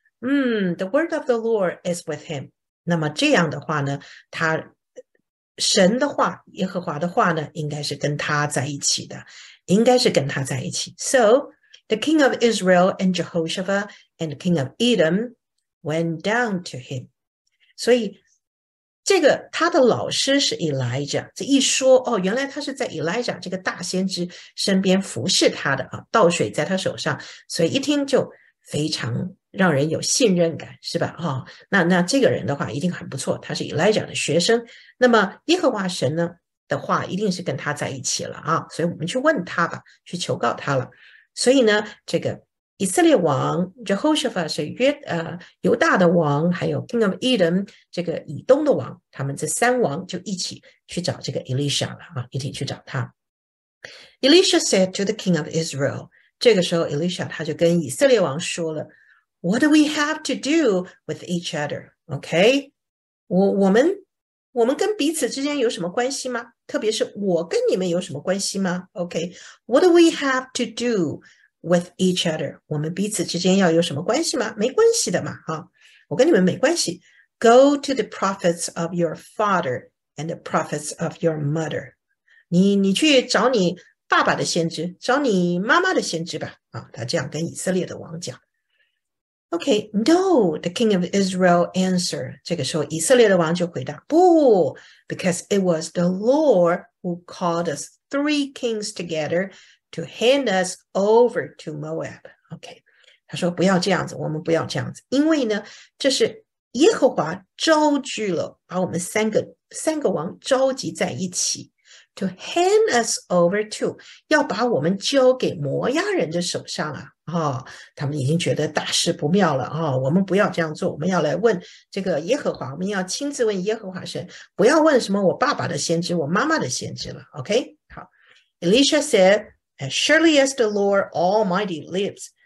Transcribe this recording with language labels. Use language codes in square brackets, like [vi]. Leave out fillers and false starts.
[en] The word of the Lord is with him。 [zh] 那么这样的话呢，他神的话，耶和华的话呢，应该是跟他在一起的，应该是跟他在一起。 [en] So the king of Israel and Jehoshaphat and the king of Edom went down to him。 [zh] 所以这个他的老师是 Elijah， 这一说哦，原来他是在 Elijah 这个大先知身边服侍他的啊，倒水在他手上，所以一听就非常让人有信任感，是吧？哦，那这个人的话一定很不错，他是 Elijah 的学生，那么耶和华神呢的话一定是跟他在一起了啊，所以我们去问他吧，去求告他了。所以呢，这个以色列王 Jehoshaphat 是犹大的王，还有 King of Edom 这个以东的王，他们这三王就一起去找这个 Elisha 了啊，一起去找他。 [en] Elisha said to the King of Israel， [zh] 这个时候 Elisha 他就跟以色列王说了 [en] ，What do we have to do with each other？OK，、okay? [zh] 我们跟彼此之间有什么关系吗？特别是我跟你们有什么关系吗 ？ [en] OK，What、okay? do we have to do？ With each other， [zh] 我们彼此之间要有什么关系吗？没关系的嘛，哈，我跟你们没关系。 [en] Go to the prophets of your father and the prophets of your mother。 [zh] 你去找你爸爸的先知，找你妈妈的先知吧。啊，他这样跟以色列的王讲。 [en] Okay，no，the king of Israel answered。 [zh] 这个时候，以色列的王就回答，不 [en] ，because it was the Lord who called us three kings together。 To hand us over to Moab. Okay. [zh] 他说不要这样子，我们不要这样子，因为呢，这是耶和华招聚了，把我们三个王召集在一起。 [en] To hand us over to， [zh] 要把我们交给摩押人的手上啊。哦，他们已经觉得大事不妙了，哦，我们不要这样做，我们要来问这个耶和华，我们要亲自问耶和华神，不要问什么我爸爸的先知，我妈妈的先知了。 Okay. 好。 [en] Elisha said,As surely as the Lord Almighty lives.